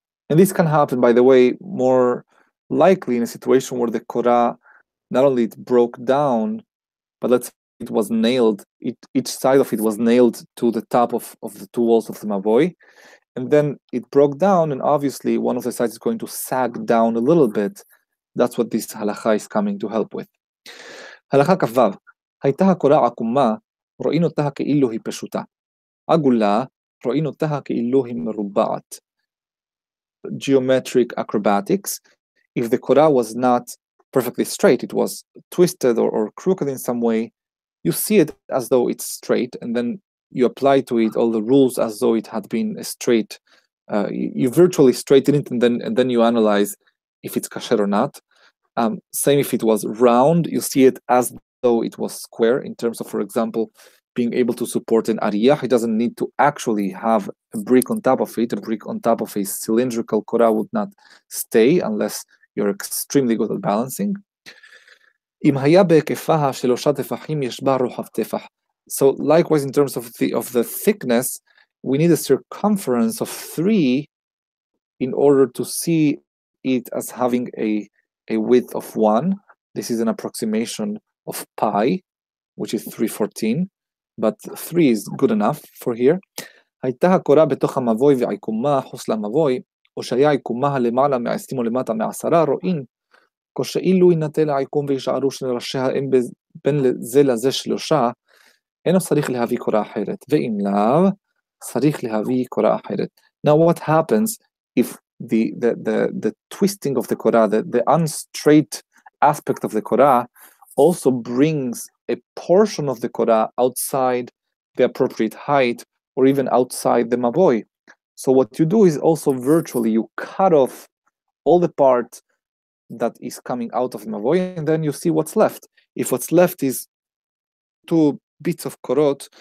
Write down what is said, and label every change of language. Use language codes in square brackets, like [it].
[en] And this can happen, by the way, more likely in a situation where the korah, not only it broke down, but let's say it was nailed, each side of it was nailed to the top of the two walls of the mavoi, and then it broke down, and obviously one of the sides is going to sag down a little bit. That's what this halakha is coming to help with. [he] Halakha kavav, הייתה הקורה עקומה, רואין אותה כאילו היא פשוטה. עגולה, רואין אותה כאילו היא מרובעת. [en] Geometric acrobatics. If the korah was not perfectly straight, it was twisted or crooked in some way, you see it as though it's straight, and then you apply to it all the rules as though it had been a straight, you virtually straighten it, and then you analyze if it's kasher or not. Same if it was round, you see it as though it was square, in terms of, for example, being able to support an ariyah. It doesn't need to actually have a brick on top of it. A brick on top of a cylindrical korah would not stay unless you're extremely good at balancing. [he] אם היה בהיקפה שלושה תפחים, יש בה רוחב תפח. [en] So likewise, in terms of the thickness, we need a circumference of 3 in order to see it as having a width of 1. This is an approximation of pi, which is 314. But 3 is good enough for here. [he] הייתה הקורה בתוך המבוי ועיקומה חוס למבוי, או שהיה עיקומה למעלה מ-20 או למטה מ-10, רואין, כשאילו ינטל העיקום וישארו של ראשי האם בין זה לזה שלושה, אינו צריך להביא קורה אחרת. ואם לאו, צריך להביא קורה אחרת. [en] Now what happens if the twisting of the Korah, the unstraight aspect of the Korah, also brings a portion of the korah outside the appropriate height, or even outside the mavoi. So what you do is also virtually, you cut off all the part that is coming out of the mavoi, and then you see what's left. If what's left is two bits of korot,